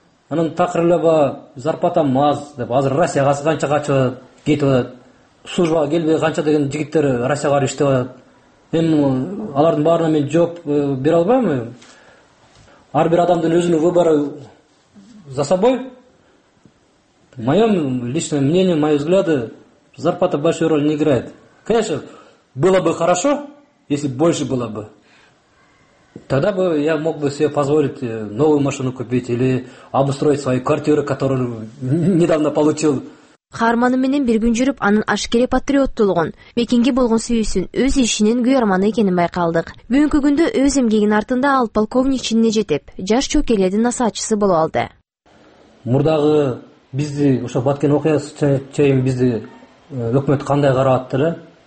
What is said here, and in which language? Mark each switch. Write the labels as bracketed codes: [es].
[ky] Анан такыр эле зарплатам аз деп азыр Россияга канча качып атат, кетип атат, службага келбей канча деген жигиттер Россияга барып иштеп атат. Эми алардын баарына мен жооп бере албайм. Ар бир адамдын өзүнүн [ru] выбору за собой. Мое личное мнение, мои взгляды, зарплата большую роль не играет. Конечно, было бы хорошо, если больше было бы. Тогда бы я мог бы себе позволить новую машину купить или обустроить свою квартиру, которую недавно получил. [ky] Каарманы менен бир күн жүрүп, анын ашкере патриоттулугун, мекенге болгон сүйүүсүн, өз ишинин күйөрманы экенин байкалдык. Бүгүнкү күндө өз эмгегинин артында ал полковник чинине жетип, жаш чөкөлөрдүн насаатчысы болуп алды. Мурдагы бизди ошо баткен окуясы чейин бизди өкмөт кандай карап атты эле?